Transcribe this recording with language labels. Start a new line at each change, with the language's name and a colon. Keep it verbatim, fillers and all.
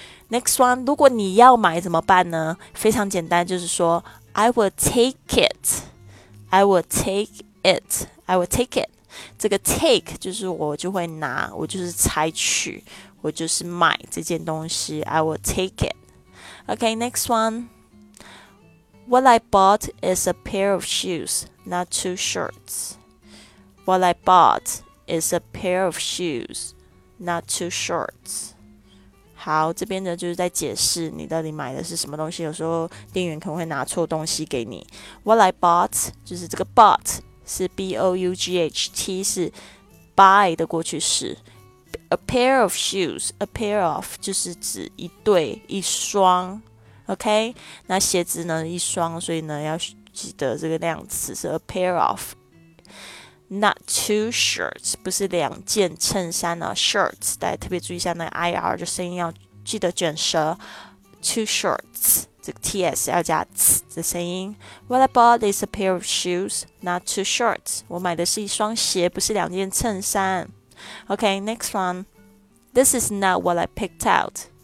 English: Next one
Chinese: 如果你要买怎么办呢非常简单就是说
English: I will take it I will take it I will take it 这个 take
Chinese: 就是我就会拿我就是采取我就是买这件东西
English: I will take it OK next one What I bought is a pair of shoes, not two shirts. What I bought is a pair of shoes, not two shirts.
Chinese: 好，这边呢就是在解释你到底买的是什么东西。有时候店员可能会拿错东西给你。
English: What I bought
Chinese: 就是这个 bought 是 b o u g h t 是 buy 的过去式。
English: A pair of shoes, a pair of
Chinese: 就是指一对一双。 OK， 那鞋子呢一双，所以呢要记得这个量词是 a pair of，
English: not two shirts，
Chinese: 不是两件衬衫啊 ，shirts， 大家特别注意一下那个 ir 的声音要记得卷舌 ，two shirts， 这个 ts 要加 t 的声音。
English: What I bought is a pair of shoes, not two shirts。
Chinese: 我买的是一双鞋，不是两件衬衫。
English: OK， next one， This is not what I picked out。